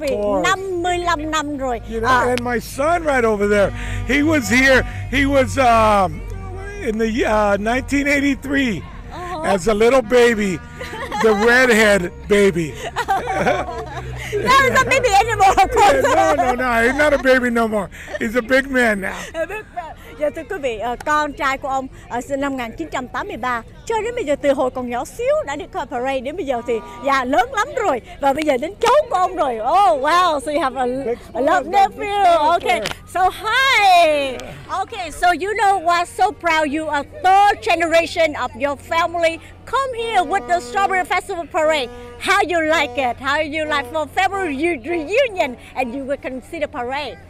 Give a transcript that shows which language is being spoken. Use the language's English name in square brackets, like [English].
[English] You know, and my son right over there, he was here. He was in the 1983 as a little baby, the redhead baby. No, he's not a baby anymore, of course. No, he's not a baby no more. He's a big man now. [Vietnamese] Dạ thưa quý vị, con trai của ông sinh năm 1983 cho đến bây giờ từ hồi còn nhỏ xíu đã đi coi parade đến bây giờ thì già lớn lắm rồi và bây giờ đến cháu của ông rồi. [English] Oh wow, so you have a love nephew. Okay, so hi. Okay, so you know what? So proud you are third generation of your family come here with the Strawberry Festival parade. How you like it? How you like for February reunion and you will consider parade?